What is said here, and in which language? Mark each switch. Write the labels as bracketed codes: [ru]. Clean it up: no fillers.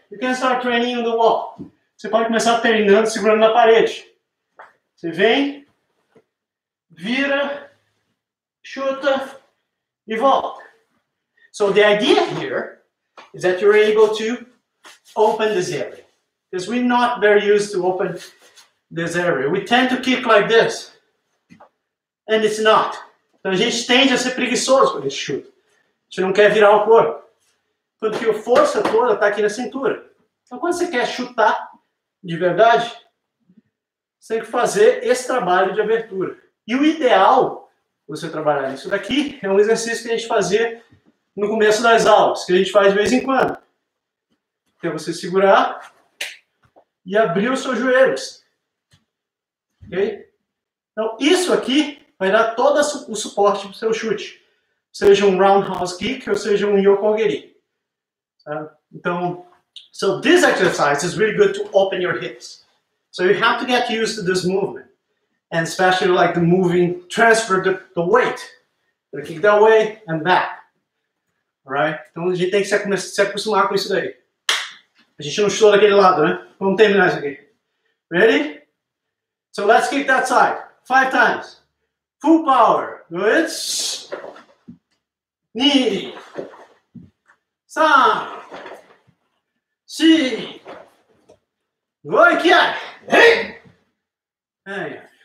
[en] You can start training on the wall. [pt] Você pode começar treinando segurando na parede. Você vem. Vira. Chuta. E volta. [en] So the idea here is that you're able to open this area. Because we're not very used to open this area. We tend to kick like this. And it's not. [pt] Então a gente tende a ser preguiçoso quando a gente chuta. A gente não quer virar o corpo. Porque a força toda está aqui na cintura. Então quando você quer chutar de verdade, você tem que fazer esse trabalho de abertura. E o ideal, você trabalhar isso daqui, é um exercício que a gente fazia no começo das aulas, que a gente faz de vez em quando. Que é você segurar e abrir os seus joelhos. Ok? Então, isso aqui vai dar todo o suporte para o seu chute. Seja um roundhouse kick ou seja um yokogeri. [en] Então, so this exercise is really good to open your hips. So you have to get used to this movement. And especially like the moving, transfer the weight. You kick that way and back. Alright? [pt] Então a gente tem que se acostumar com isso daí. A gente não chutou daquele lado, né? Vamos terminar isso aqui. Ready? [en] So let's kick that side. Five times. Full power. Good. [ja] Knee. San. Si. Go aqui. Hey! Hey.